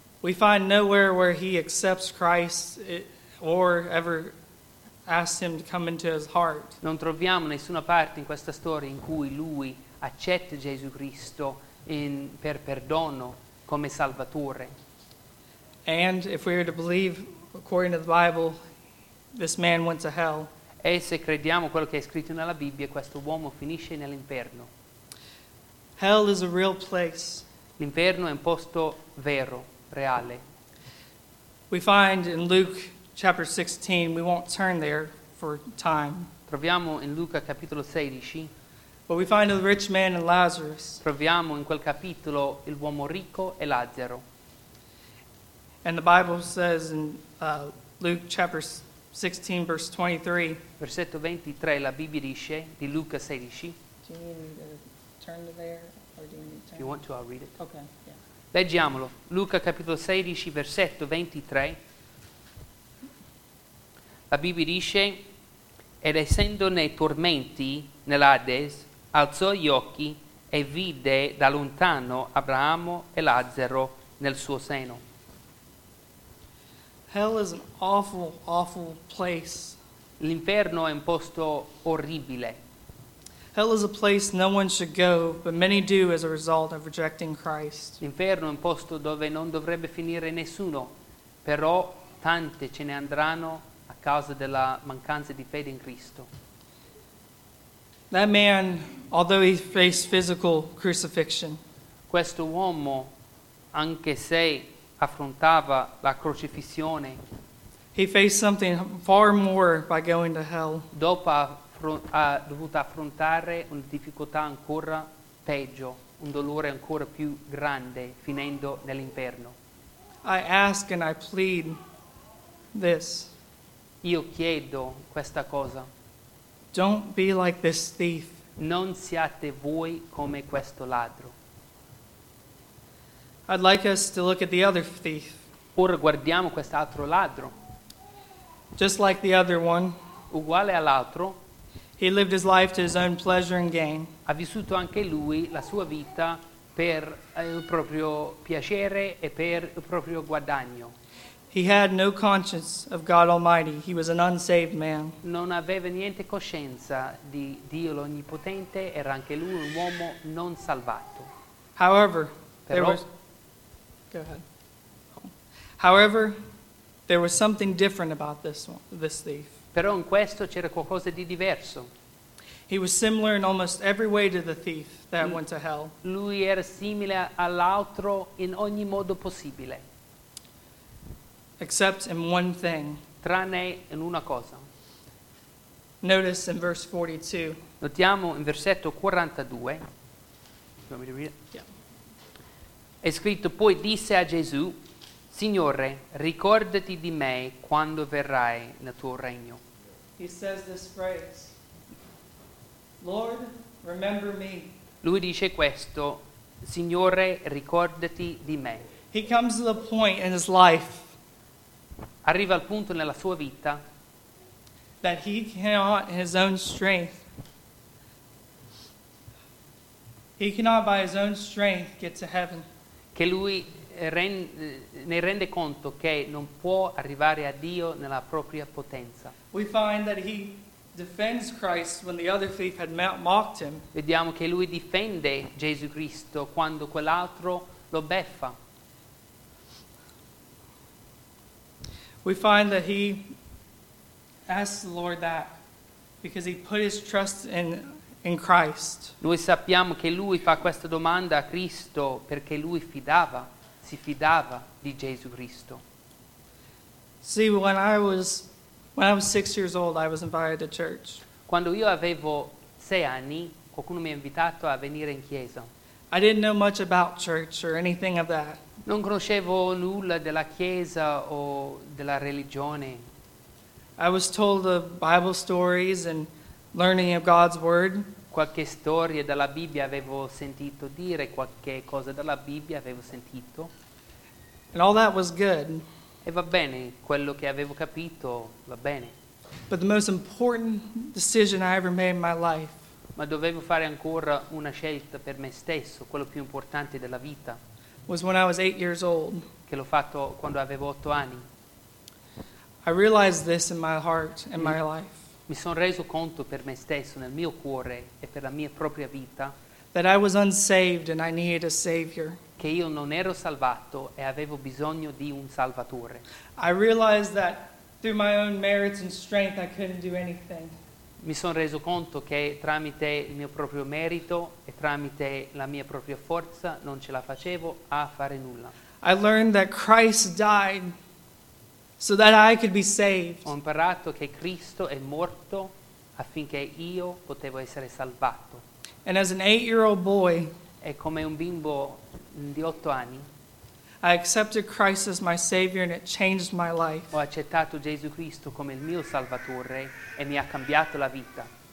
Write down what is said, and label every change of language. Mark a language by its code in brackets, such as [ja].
[en] We find nowhere where he accepts Christ or ever asks him to come into his heart. [it] Non troviamo nessuna parte in questa storia in cui lui accetta Gesù Cristo per perdono come Salvatore. [en] And if we were to believe, according to the Bible, this man went to hell. [it] E se crediamo quello che è scritto nella Bibbia, questo uomo finisce nell'inferno. [en] Hell is a real place. [it] L'inferno è un posto vero, reale. [en] We find in Luke chapter 16, we won't turn there for time. [it] Troviamo in Luca capitolo 16. [en] But we find the rich man and Lazarus. [it] Troviamo in quel capitolo il uomo ricco e Lazzaro. [en] And the Bible says in Luke chapter 16, verse 23. [it] Versetto 23, la Bibbia dice di Luca 16. [en] Do you need to turn to there, or do you need to turn? If you want to, I'll read it. Okay, yeah. [it] Leggiamolo. Luca capitolo 16, versetto 23. La Bibbia dice, ed essendo nei tormenti, nell'Hades, alzò gli occhi e vide da lontano Abramo e Lazzaro nel suo seno. [en] Hell is an awful, awful place. [it] L'inferno è un posto orribile. [en] Hell is a place no one should go, but many do as a result of rejecting Christ. [it] L'inferno è un posto dove non dovrebbe finire nessuno, però tante ce ne andranno a causa della mancanza di fede in Cristo. [en] That man, although he faced physical crucifixion, [it] questo uomo, anche se affrontava la crocifissione, [en] he faced something far more by going to hell. [it] Dopo ha dovuto affrontare una difficoltà ancora peggio, un dolore ancora più grande, finendo nell'inferno. [en] I ask and I plead this. [it] Io chiedo questa cosa. [en] Don't be like this thief. [it] Non siate voi come questo ladro. [en] I'd like us to look at the other thief. [it] Ora guardiamo quest'altro ladro. [en] Just like the other one. [it] Uguale all'altro. [en] He lived his life to his own pleasure and gain. [it] Ha vissuto anche lui la sua vita per il proprio piacere e per il proprio guadagno. [en] He had no conscience of God Almighty. He was an unsaved man. [it] Non aveva niente coscienza di Dio l'Onnipotente. Era anche lui un uomo non salvato. [en] However, there was something different about this thief. [it] Però in questo c'era qualcosa di diverso. [en] He was similar in almost every way to the thief that went to hell. [it] Lui era simile all'altro in ogni modo possibile. [en] Except in one thing. [it] Tranne in una cosa. [en] Notice in verse 42. [it] Notiamo in versetto 42. [en] You want me to read it? Yeah. [it] È scritto, poi disse a Gesù, Signore, ricordati di me quando verrai nel tuo regno. [en] He says this phrase, Lord, remember me. [it] Lui dice questo, Signore, ricordati di me. [en] He comes to the point in his life. [it] Arriva al punto nella sua vita. [en] That he cannot in his own strength. He cannot by his own strength get to heaven. [it] Che lui ne rende conto che non può arrivare a Dio nella propria potenza. [en] We find that he defends Christ when the other thief had mocked him. [it] Vediamo che lui difende Gesù Cristo quando quell'altro lo beffa. [en] We find that he asks the Lord that because he put his trust in Christ. [it] Noi sappiamo che lui fa questa domanda a Cristo perché lui si fidava di Gesù Cristo. [en] See, when I was 6 years old, I was invited to church. [it] Quando io avevo 6 anni, qualcuno mi ha invitato a venire in chiesa. [en] I didn't know much about church or anything of that. [it] Non conoscevo nulla della chiesa o della religione. [en] I was told of Bible stories and learning of God's word. [it] Qualche storia dalla Bibbia avevo sentito dire, qualche cosa dalla Bibbia avevo sentito. [en] And all that was good. [it] E va bene, quello che avevo capito, va bene. [en] But the most important decision I ever made in my life. [it] Ma dovevo fare ancora una scelta per me stesso, quello più importante della vita. [en] Was when I was 8 years old. [it] Che l'ho fatto quando avevo 8 anni. [en] I realized this in my heart and my life. [it] Mi sono reso conto per me stesso, nel mio cuore e per la mia propria vita. [en] That I was unsaved and I needed a savior. [it] Che io non ero salvato e avevo bisogno di un salvatore. [en] I realized that through my own merits and strength I couldn't do anything. [it] Mi sono reso conto che tramite il mio proprio merito e tramite la mia propria forza non ce la facevo a fare nulla. [en] I learned that Christ died so that I could be saved. [it] Ho imparato che Cristo è morto affinché io potevo essere salvato. [en] And as an 8-year-old boy, [it] e come un bimbo di 8 anni, [en] I accepted Christ as my savior and it changed my life. [it] Ho accettato Gesù Cristo come il mio salvatore e mi ha cambiato la vita.